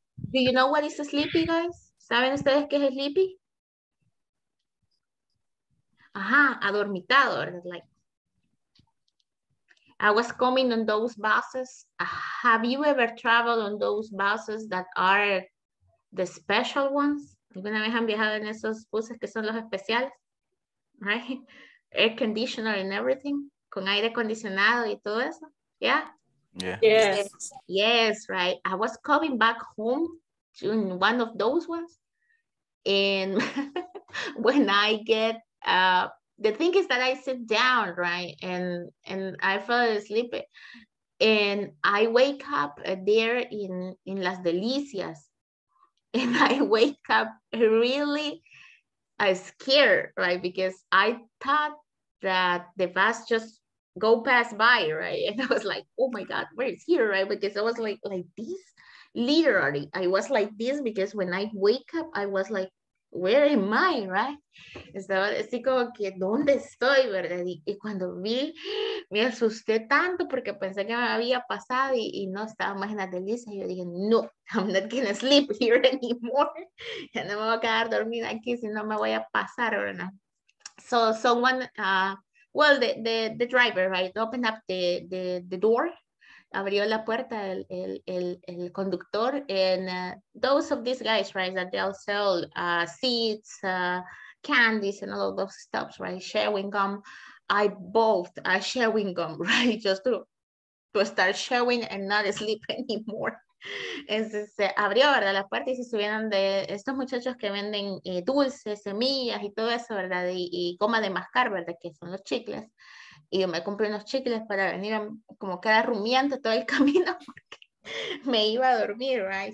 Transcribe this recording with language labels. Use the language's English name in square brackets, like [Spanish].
[English] Do you know what is a sleepy, guys? [Spanish] ¿Saben ustedes qué es sleepy? Ajá, adormitado, ¿verdad? Like. [English] I was coming on those buses. Have you ever traveled on those buses that are the special ones? [Spanish] ¿Alguna vez han viajado en esos buses que son los especiales? [English] Right? Air conditioner and everything. [Spanish] Con aire acondicionado y todo eso. [English] Yeah? Yes. Yes, right. I was coming back home in one of those ones. And when I get... the thing is that I sit down, right? And I fell asleep. And I wake up there in Las Delicias. And I wake up really scared, right? Because I thought that the bus just go pass by, right? And I was like, oh my God, where is here, right? Because I was like this, literally. I was like this because when I wake up, I was like, where am I, right? [Spanish] Estaba así como que, ¿dónde estoy, verdad? Y cuando vi, me asusté tanto porque pensé que me había pasado y no estaba más en la delicia. Y yo dije, no, [English] I'm not gonna sleep here anymore. [Spanish] Ya no me voy a quedar dormida aquí si no me voy a pasar, ¿verdad? [English] So someone, well, the driver, right, opened up the door. [Spanish] Abrió la puerta el conductor, [English] and those of these guys, right, that they'll sell seeds, candies, and all of those stuff, right, chewing gum. I bought a chewing gum, right, just to start chewing and not sleep anymore. [Spanish] Entonces, abrió, ¿verdad?, la puerta y se subieron de estos muchachos que venden dulces, semillas y todo eso, ¿verdad?, y goma de mascar, ¿verdad?, que son los chicles. Y yo me compré unos chicles para venir a, como quedar rumiando todo el camino porque me iba a dormir, right?